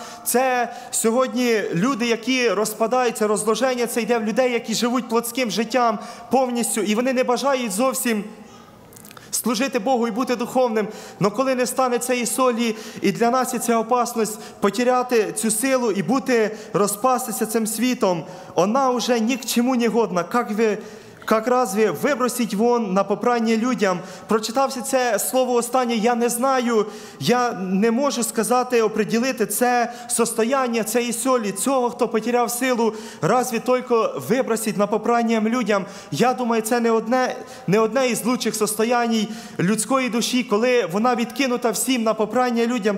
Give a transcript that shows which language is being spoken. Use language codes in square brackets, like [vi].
[uk] Це сьогодні люди, які розпадаються, розложення, це йде в людей, які живуть плотським життям повністю, і вони не бажають зовсім служити Богу і бути духовним. Но коли не стане цієї солі, і для нас є ця опасність потеряти цю силу і бути, розпастися цим світом, вона вже ні к чому не годна. Як ви [ru] Как разве выбросить вон на попрание людям? [uk] Прочитався це слово останнє, я не знаю, я не можу сказати, определити це состояние, це і солі, цього, хто потеряв силу, [ru] разве только выбросить на попрание людям? [uk] Я думаю, це не одне із лучших состояний людської душі, коли вона відкинута всім [ru] на попрание людям.